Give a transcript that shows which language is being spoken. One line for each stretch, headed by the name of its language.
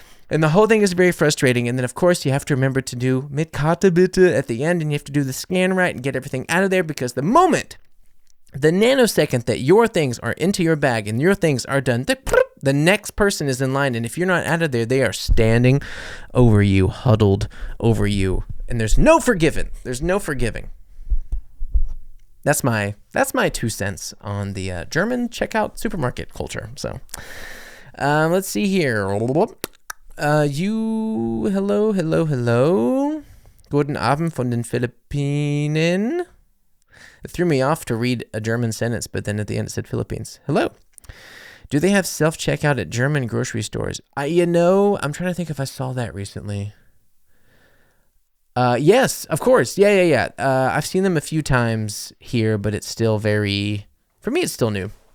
English: And the whole thing is very frustrating. And then, of course, you have to remember to do
German: mit Karte bitte
English: at the end, and you have to do the scan right and get everything out of there, because the moment, the nanosecond that your things are into your bag and your things are done, the next person is in line. And if you're not out of there, they are standing over you, huddled over you. And there's no forgiving. There's no forgiving. That's my two cents on the German checkout supermarket culture. So let's see here. Hello.
German: Guten Abend von den Philippinen.
English: It threw me off to read a German sentence, but then at the end it said Philippines. Hello. Do they have self-checkout at German grocery stores? I'm trying to think if I saw that recently. Yes, of course. Yeah. I've seen them a few times here, but it's still very... For me, it's still new.